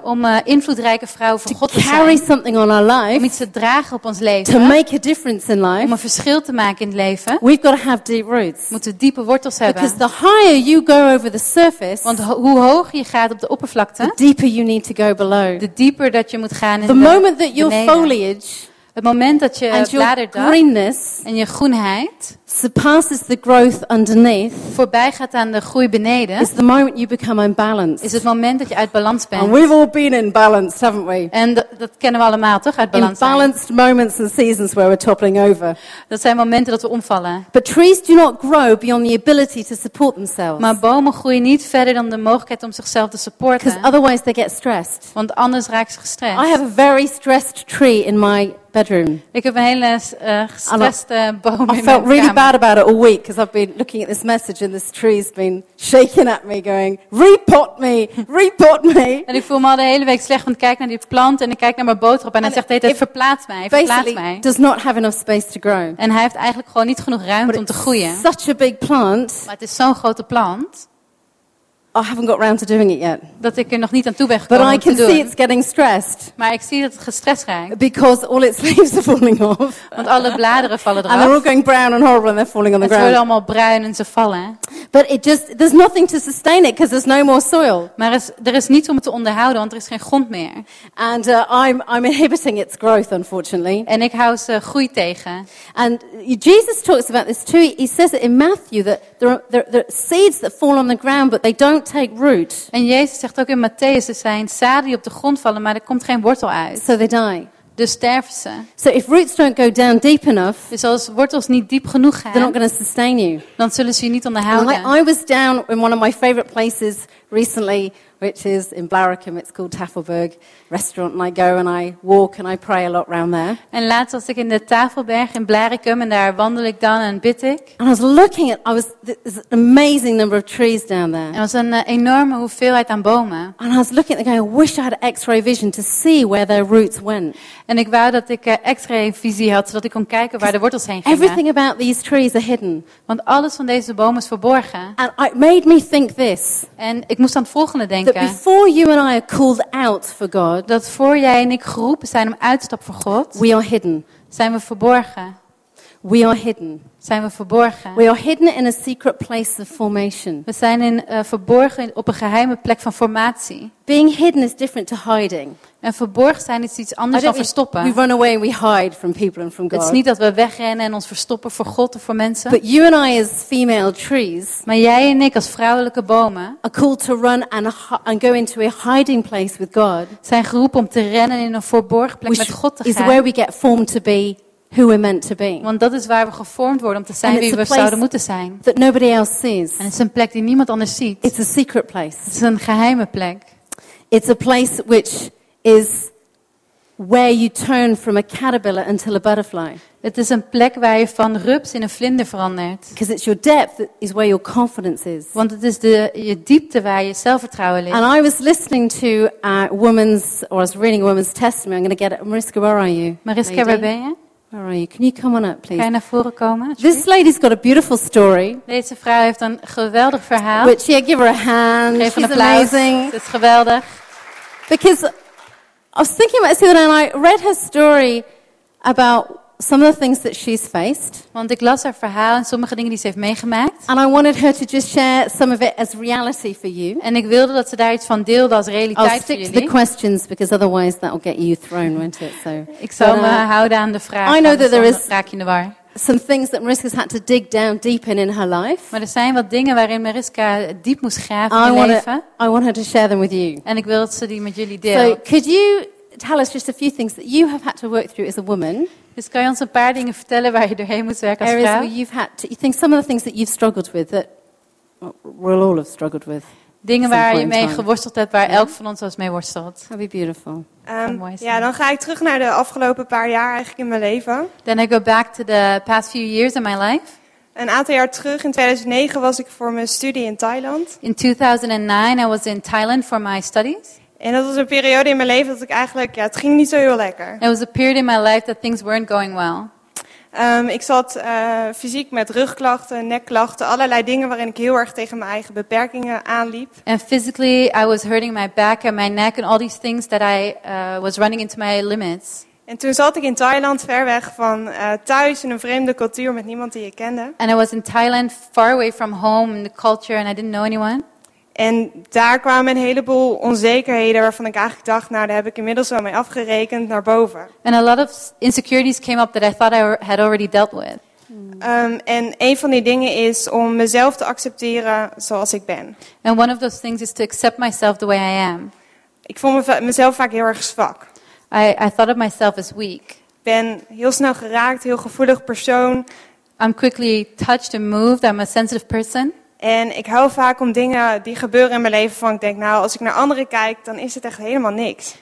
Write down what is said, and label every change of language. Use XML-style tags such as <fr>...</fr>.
<nl>om invloedrijke vrouwen voor</nl> <en>to</en> <nl>God te</nl> <en>carry</en> <nl>zijn,</nl> <en>something on our life,</en> <nl>om iets te dragen op ons leven,</nl> <en>to make a difference in life,</en> <nl>om een verschil te maken in het leven,</nl> <en>we've got to have deep roots.</en> <nl>Moeten diepe wortels hebben.</nl> <en>Because the higher you go over the surface,</en> <nl>want hoe hoger je gaat op de oppervlakte,</nl> <en>the deeper you need to go below.</en> <nl>De dieper dat je moet gaan in</nl> <en>the moment that your</en> <nl>beneden.</nl> <en>Foliage.</en> <nl>Het moment dat je bladerdak en je groenheid</nl> <en>surpasses the growth underneath,</en> <nl>voorbij gaat aan de groei beneden,</nl> <en>is the moment you become unbalanced.</en> <nl>Is het moment dat je uit balans bent.</nl> <en>And we've all been in balance, haven't we?</en> <nl>En dat kennen we allemaal, toch? Uit balans.</nl> <en>In balanced moments and seasons where we're toppling over.</en> <nl>Dat zijn momenten dat we omvallen.</nl> <en>But trees do not grow beyond the ability to support themselves.</en> <nl>Maar bomen groeien niet verder dan de mogelijkheid om zichzelf te supporten.</nl> <en>Because otherwise they get stressed.</en> <nl>Want anders raak ze gestrest.</nl> <en>I have a very stressed tree in my bedroom.</en> <nl>Ik heb een hele gestreste boom in mijn kamer.</nl> <en>I felt really bad sad about it all week because I've been looking at this message and this tree's been shaking at me going, repot me, repot me.</en> <nl>En ik voel me al de hele week slecht, want ik kijk naar die plant en ik kijk naar mijn boterham en hij zegt, hey, verplaats mij, verplaats mij.</nl> <en>Does not have enough space to grow.</en> <nl>En hij heeft eigenlijk gewoon niet genoeg ruimte om te groeien.</nl> <en>Such a big plant.</en> <nl>Maar het is zo'n grote plant.</nl> <en>I haven't got round to doing it yet.</en> <nl>Dat ik er nog niet aan toe ben gekomen.</nl> <en>But I can see it's getting stressed.</en> <nl>Maar ik zie dat het gestrest raakt.</nl> <en>Because all its leaves are falling off.</en> <nl>Want alle bladeren vallen eraf.</nl> <en>And they're all going brown and horrible and they're falling on the ground.</en> <nl>Ze worden allemaal bruin en ze vallen.</nl> <en>But it just there's nothing to sustain it because there's no more soil.</en> <nl>Maar er is niets om het te onderhouden want er is geen grond meer.</nl> <en>And I'm inhibiting its growth unfortunately.</en> <nl>En ik hou ze groei tegen.</nl> <en>And Jesus talks about this too. He says it in Matthew that there are seeds that fall on the ground but they don't take root.</en> <nl>En Jezus zegt ook in Matthäus er zijn zaden die op de grond vallen maar er komt geen wortel uit.</nl> <en>So they die.</en> <nl>Dus sterven ze.</nl> <en>So if roots don't go down deep enough,</en> <nl>dus als wortels niet diep genoeg gaan,</nl> <en>they're not going to sustain you.</en> <nl>Dan zullen ze je niet onderhouden.</nl> <en>Well, I was down in one of my favorite places recently, which is in Blaricum. It's called Tafelberg Restaurant, and I go and I walk and I pray a lot around there.</en> <nl>En laatst was ik in de Tafelberg in Blaricum en daar wandel ik dan en bid ik.</nl> <en>And I was looking at, there's an amazing number of trees down there.</en> <nl>En was een enorme hoeveelheid aan bomen.</nl> <en>And I was looking at the guy, I wish I had X-ray vision to see where their roots went.</en> <nl>En ik wou dat ik X-ray visie had zodat ik kon kijken waar de wortels heen gingen.</nl> <en>Everything about these trees are hidden.</en> <nl>Want alles van deze bomen is verborgen.</nl> <en>And it made me think this.</en> <nl>En ik moest aan het volgende denken.</nl> <en>That before you and I are called out for God,</en> <nl>dat voor jij en ik geroepen zijn om uit te stappen voor God,</nl> <en>we are hidden.</en> <nl>Zijn we verborgen.</nl> <en>We are hidden.</en> <nl>Zijn we verborgen.</nl> <en>We are hidden in a secret place of formation.</en> <nl>We zijn verborgen op een geheime plek van formatie.</nl> <en>Being hidden is different to hiding.</en> <nl>En verborgen zijn is iets anders dan verstoppen.</nl> <en>We run away and we hide from people and from God.</en> <nl>Het is niet dat we wegrennen en ons verstoppen voor God of voor mensen.</nl> <en>But you and I as female trees,</en> <nl>maar jij en ik als vrouwelijke bomen,</nl> <en>are called to run and go into a hiding place with God.</en> <nl>Zijn geroepen om te rennen in een verborgen plek met God te gaan.</nl> <en>Is where we get formed to be. Who we're meant to be.</en> <nl>Want dat is waar we gevormd worden om te zijn wie we zouden moeten zijn.</nl> <en>That nobody else sees.</en> <nl>En het is een plek die niemand anders ziet.</nl> <en>It's a secret place.</en> <nl>Het is een geheime plek.</nl> <en>It's a place which is where you turn from a caterpillar until a butterfly.</en> <nl>Het is een plek waar je van rups in een vlinder verandert.</nl> <en>Because it's your depth that is where your confidence is.</en> <nl>Want het is je diepte waar je zelfvertrouwen ligt.</nl> <en>And I was listening to a woman's, or I was reading a woman's testimony. I'm going to get it. Mariska, where are you?</en> <nl>Mariska, waar ben je?</nl> <en>Where are you? Can you come on up, please?</en> <nl>Kan je naar voren komen?</nl> <en>This lady's got a beautiful story.</en> <nl>Deze vrouw heeft een geweldig verhaal.</nl> <en>Which, yeah, give her a hand.</en> <nl>Geef</nl> <en>She's</en> <nl>een applaus.</nl> <en>Amazing.</en> <nl>Het is geweldig.</nl> <en>Because I was thinking about Sylvia and I read her story about some of the things that she's faced.</en> <nl>Want ik las haar verhaal en sommige dingen die ze heeft meegemaakt.</nl> <en>And I wanted her to just share some of it as reality for you.</en> <nl>En ik wilde dat ze daar iets van deelde als realiteit voor jullie.</nl> <en>I'll stick to the questions because otherwise that'll get you thrown, won't it? So.</en> <nl>Ik zal me houden aan de vraag.</nl> <en>I know that there is</en> <nl>raak je in de war.</nl> <en>Some things that Mariska's had to dig down deep in her life.</en> <nl>Maar er zijn wat dingen waarin Mariska diep moest graven in haar leven.</nl> <en>I want her to share them with you.</en> <nl>En ik wil dat ze die met jullie deelt.</nl> <en>So could you tell us just a few things that you have had to work through as a woman?</en> <nl>Dus kan je ons een paar dingen vertellen waar je doorheen moest werken als vrouw?</nl> <en>Areas where you've had to, you think some of the things that you've struggled with, that we'll all have struggled with.</en> <nl>Dingen waar je mee geworsteld hebt, waar elk van ons als mee worstelt.</nl> <en>That'd be beautiful.</en> <nl>Ja, dan ga ik terug naar de afgelopen paar jaar eigenlijk in mijn leven.</nl> <en>Then I go back to the past few years in my life.</en> <nl>Een aantal jaar terug, in 2009, was ik voor mijn studie in Thailand.</nl> <en>In 2009, I was in Thailand for my studies.</en> <nl>En dat was een periode in mijn leven dat ik eigenlijk, ja, het ging niet zo heel lekker.</nl> <en>It was a period in my life that things weren't going well.</en> <nl>Ik zat fysiek met rugklachten, nekklachten, allerlei dingen waarin ik heel erg tegen mijn eigen beperkingen aanliep.</nl> <en>And physically, I was hurting my back and my neck and all these things that I was running into my limits.</en> <nl>En toen zat ik in Thailand, ver weg van thuis, in een vreemde cultuur met niemand die ik kende.</nl> <en>And I was in Thailand, far away from home in the culture, and I didn't know anyone.</en> <nl>En daar kwamen een heleboel onzekerheden waarvan ik eigenlijk dacht, nou, daar heb ik inmiddels wel mee afgerekend, naar boven.</nl> <en>And a lot of insecurities came up that I thought I had already dealt with.</en> <nl>En een van die dingen is om mezelf te accepteren zoals ik ben.</nl> <en>And one of those things is to accept myself the way I am.</en> <nl>Ik vond mezelf vaak heel erg zwak.</nl> <en>I thought of myself as weak.</en> <nl>Ik ben heel snel geraakt, heel gevoelig persoon.</nl> <en>I'm quickly touched and moved. I'm a sensitive person.</en> <nl>En ik hou vaak om dingen die gebeuren in mijn leven van ik denk, nou, als ik naar anderen kijk, dan is het echt helemaal niks.</nl>